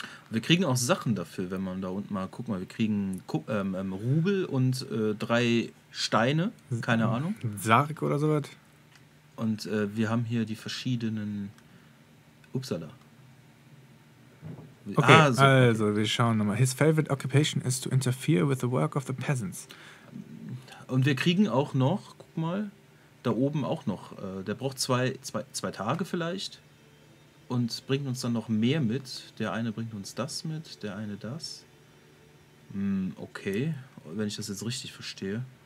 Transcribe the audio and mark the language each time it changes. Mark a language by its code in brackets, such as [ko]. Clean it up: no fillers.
[de] Wir kriegen auch Sachen dafür, wenn man da unten mal guckt. Wir kriegen Rubel und drei Steine, keine Ahnung. Sarg oder sowas. Und wir haben hier die verschiedenen... Upsala. Okay, wir schauen nochmal. [en] His favorite occupation is to interfere with the work of the peasants. [de] Und wir kriegen auch noch, guck mal, da oben auch noch. Der braucht zwei Tage vielleicht und bringt uns dann noch mehr mit. Der eine bringt uns das mit, der eine das. Okay, wenn ich das jetzt richtig verstehe.